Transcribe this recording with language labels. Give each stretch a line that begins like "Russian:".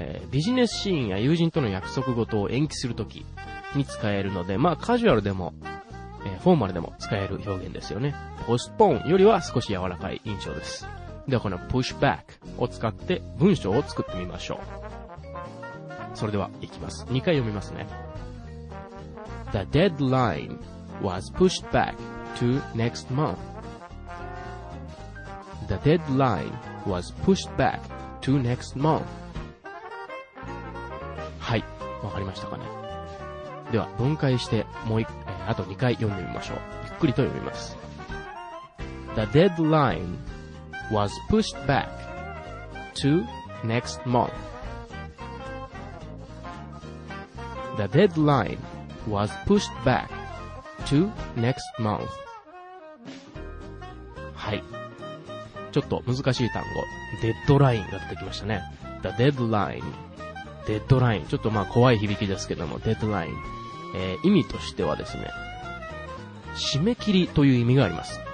Japanese: ビジネスシーンや友人との約束事を延期するときに使えるので、まあカジュアルでも、フォーマルでも使える表現ですよね。 postpone よりは少し柔らかい印象です。ではこの push back を使って文章を作ってみましょう。それではいきます。2回読みますね。
English: The deadline was pushed back to next month. The deadline was pushed back to next month.
Japanese: はい、わかりましたかね。では分解してもう、あと2回読んでみましょう。ゆっくりと読みます。
English: The deadline was pushed back to next month. The deadline was pushed back to next month.
Japanese: はい、ちょっと難しい単語、デッドラインが出てきましたね。 The deadline、 デッドライン、ちょっとまあ怖い響きですけども、デッドライン、意味としてはですね、締め切りという意味があります。